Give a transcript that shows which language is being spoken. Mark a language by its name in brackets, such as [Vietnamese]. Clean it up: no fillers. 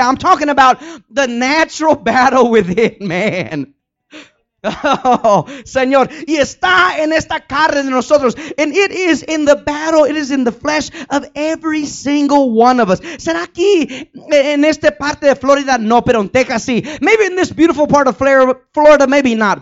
[English] I'm talking about the natural battle within man. [Spanish] Oh, Señor, y está en esta carne de nosotros. [English] And it is in the battle, it is in the flesh of every single one of us. [Spanish] ¿Será aquí en esta parte de Florida? No, pero en Texas sí. [English] Maybe in this beautiful part of Florida, maybe not.